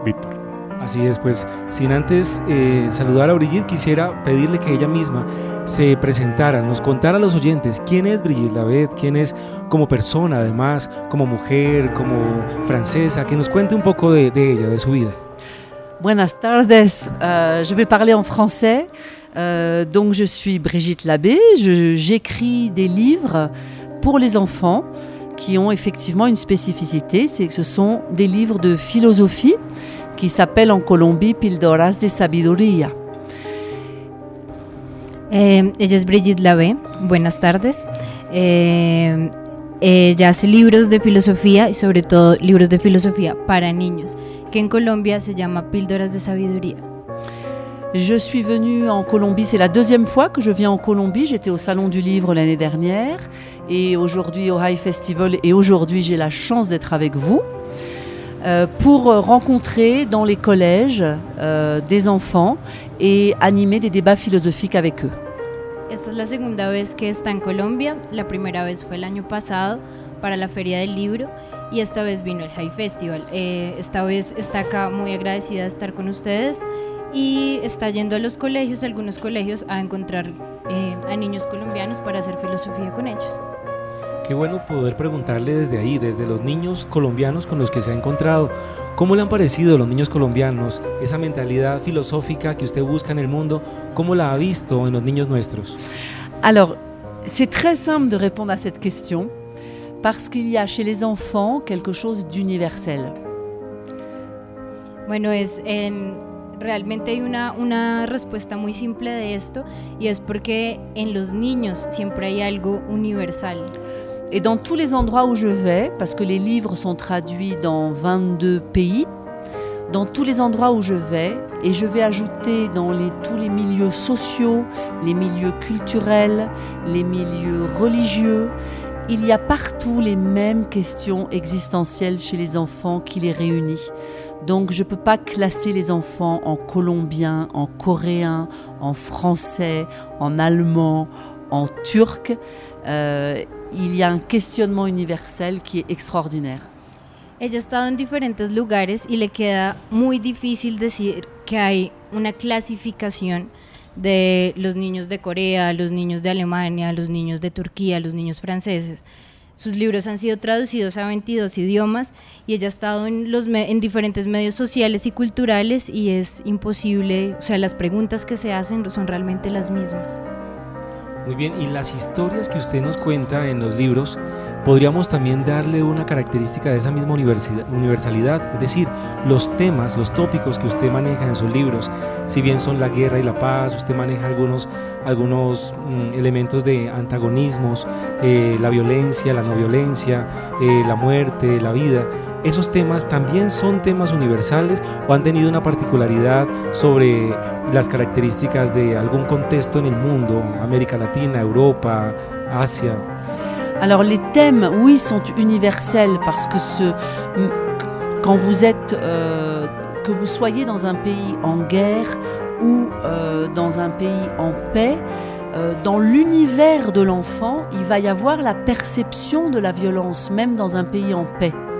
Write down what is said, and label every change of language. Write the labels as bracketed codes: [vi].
[es] Víctor. Así es, pues, sin antes saludar a Brigitte, quisiera pedirle que ella misma se presentara, nos contara a los oyentes quién es Brigitte Labé, quién es como persona, además, como mujer, como francesa, que nos cuente un poco de ella, de su vida. Buenas tardes, [fr] je vais parler en français. Donc, je suis Brigitte Labé, j'écris des livres pour les enfants qui ont effectivement une spécificité, c'est que ce sont des livres de philosophie qui s'appellent en Colombie Pildoras de Sabiduría. [es] Ella es Brigitte Labé, buenas tardes. Ella hace libros de filosofía y sobre todo libros de filosofía para niños, que en Colombia se llama Píldoras de Sabiduría. [fr] Je suis venue en Colombie, c'est la deuxième fois que je viens en Colombie, j'étais au Salon du Livre l'année dernière et aujourd'hui au High Festival et aujourd'hui j'ai la chance d'être avec vous pour rencontrer dans les collèges des enfants et animer des débats philosophiques avec eux. [es] Esta es la segunda vez que está en Colombia. La primera vez fue el año pasado para la Feria del Libro y esta vez vino el High Festival. Esta vez está acá muy agradecida de estar con ustedes y está yendo a los colegios, a algunos colegios, a encontrar a niños colombianos para hacer filosofía con ellos. Qué bueno poder preguntarle desde ahí, desde los niños colombianos con los que se ha encontrado. ¿Cómo le han parecido los niños colombianos esa mentalidad filosófica que usted busca en el mundo? ¿Cómo la ha visto en los niños nuestros? [fr] Alors, c'est très simple de répondre à cette question parce qu'il y a chez les enfants quelque chose d'universel. [es] Bueno, es realmente hay una respuesta muy simple de esto y es porque en los niños siempre hay algo universal. [fr] Et dans tous les endroits où je vais, parce que les livres sont traduits dans 22 pays, dans tous les endroits où je vais, et je vais ajouter dans tous les milieux sociaux, les milieux culturels, les milieux religieux, il y a partout les mêmes questions existentielles chez les enfants qui les réunissent. Donc je ne peux pas classer les enfants en colombien, en coréen, en français, en allemand, en turc. Il y a un questionnement universel qui est extraordinaire. [es] Ella ha estado en diferentes lugares y le queda muy difícil decir que hay una clasificación de los niños de Corea, los niños de Alemania, los niños de Turquía, los niños franceses. Sus libros han sido traducidos a 22 idiomas y ella ha estado en diferentes medios sociales y culturales y es imposible, o sea, las preguntas que se hacen son realmente las mismas. Muy bien, y las historias que usted nos cuenta en los libros, ¿podríamos también darle una característica de esa misma universalidad? Es decir, los temas, los tópicos que usted maneja en sus libros, si bien son la guerra y la paz, usted maneja algunos elementos de antagonismos, la violencia, la no violencia, la muerte, la vida, ¿esos temas también son temas universales o han tenido una particularidad sobre las características de algún contexto en el mundo, América Latina, Europa, Asia? [fr] Alors les thèmes, oui, sont universels parce que quand vous êtes, que vous soyez dans un pays en guerre ou dans un pays en paix, dans l'univers de l'enfant, il va y avoir la perception de la violence, même dans un pays en paix.